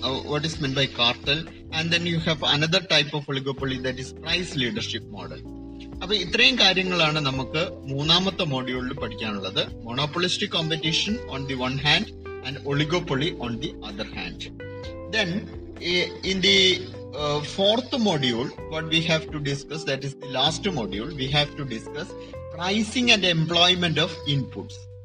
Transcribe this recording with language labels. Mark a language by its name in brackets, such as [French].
[English] What is meant by cartel? And then you have another type of oligopoly, that is price leadership model. [Malayalam] അപ്പൊ ഇത്രയും കാര്യങ്ങളാണ് നമുക്ക് മൂന്നാമത്തെ മോഡ്യൂളിൽ പഠിക്കാനുള്ളത്. [English] Monopolistic competition on the one hand and oligopoly on the other hand. Then in the fourth module, what we have to discuss, that is the last module, we have to discuss pricing and employment of inputs.